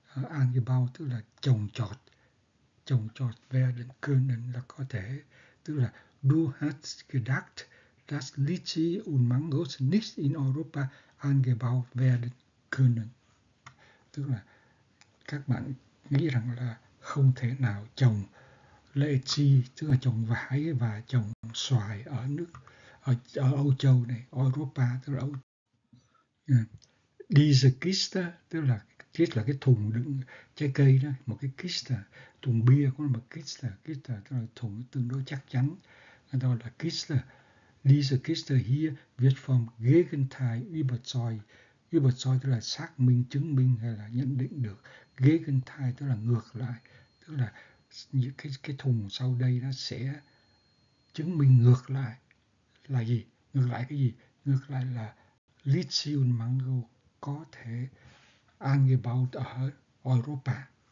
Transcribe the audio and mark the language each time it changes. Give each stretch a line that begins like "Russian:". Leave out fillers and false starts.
Vietnamese: Angebaut tức là trồng trọt werden können là có thể, tức là
German: du hast gedacht, dass lychee und mango nicht in Europa angebaut werden können,
Vietnamese: tức là các bạn nghĩ rằng là không thể nào trồng lệ chi, tức là trồng vải và trồng xoài ở Âu Châu này, Europa, tức là Âu Châu.
German: Diese Kiste,
Vietnamese: tức là cái thùng đựng trái cây đó, một cái Kiste, thùng bia có một Kiste, tức là thùng tương đối chắc chắn, đó là Kiste.
German: Diese Kiste hier wird vom Gegenteil überzeugt.
Vietnamese: Überzeugt tức là xác minh, chứng minh hay là nhận định được. Gegenteil tức là ngược lại, tức là những cái thùng sau đây nó sẽ chứng minh ngược lại. Là gì? Ngược lại cái gì? Ngược lại là
German: lychee und mango
Vietnamese: có thể angebaut ở Europa.